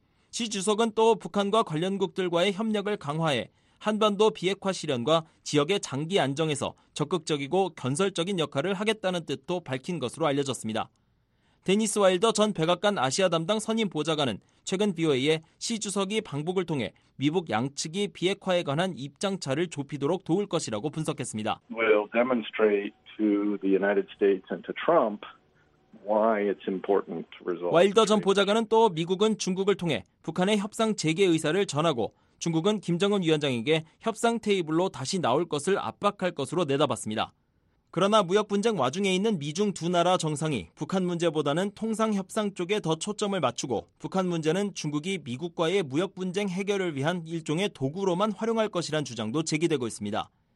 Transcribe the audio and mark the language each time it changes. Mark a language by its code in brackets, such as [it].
[ko] 시 주석은 또 북한과 관련국들과의 협력을 강화해 한반도 비핵화 실현과 지역의 장기 안정에서 적극적이고 건설적인 역할을 하겠다는 뜻도 밝힌 것으로 알려졌습니다. 데니스 와일더 전 백악관 아시아 담당 선임 보좌관은 최근 BOA에 시 주석이 방북을 통해 미북 양측이 비핵화에 관한 입장차를 좁히도록 도울 것이라고 분석했습니다. [en] We'll demonstrate to the United States and to Trump why it's important to resolve. [ko] 와일더 전 보좌관은 또 미국은 중국을 통해 북한의 협상 재개 의사를 전하고 중국은 김정은 위원장에게 협상 테이블로 다시 나올 것을 압박할 것으로 내다봤습니다. 그러나 무역 분쟁 와중에 있는 미중 두 나라 정상이 북한 문제보다는 통상 협상 쪽에 더 초점을 맞추고 북한 문제는 중국이 미국과의 무역 분쟁 해결을 위한 일종의 도구로만 활용할 것이란 주장도 제기되고 있습니다.